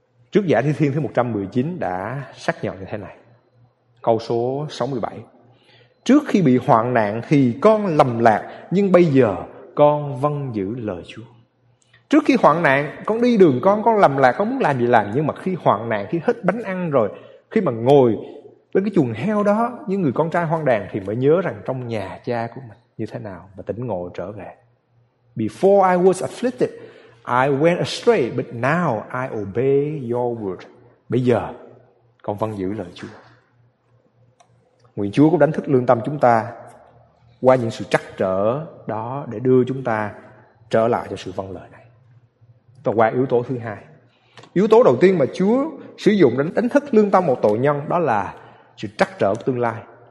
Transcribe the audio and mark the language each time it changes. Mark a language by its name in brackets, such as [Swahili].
[Vietnamese] Trước giả Thi Thiên thứ 119 đã xác nhận như thế này. Câu số 67: trước khi bị hoạn nạn thì con lầm lạc, nhưng bây giờ con vâng giữ lời Chúa. Trước khi hoạn nạn, con đi đường con lầm lạc, con muốn làm gì làm. Nhưng mà khi hoạn nạn, khi hết bánh ăn rồi, khi mà ngồi bên cái chuồng heo đó như người con trai hoang đàn, thì mới nhớ rằng trong nhà cha của mình như thế nào, và tỉnh ngộ trở về. [English] Before I was afflicted, I went astray, but now I obey your word. [Vietnamese] Bây giờ con vâng giữ lời Chúa. Nguyện Chúa cũng đánh thức lương tâm chúng ta qua những sự trắc trở đó, để đưa chúng ta trở lại cho sự vâng lời này. Và qua yếu tố thứ hai, yếu tố đầu tiên mà Chúa sử dụng để đánh thức lương tâm một tội nhân, đó là sự trắc trở của tương lai.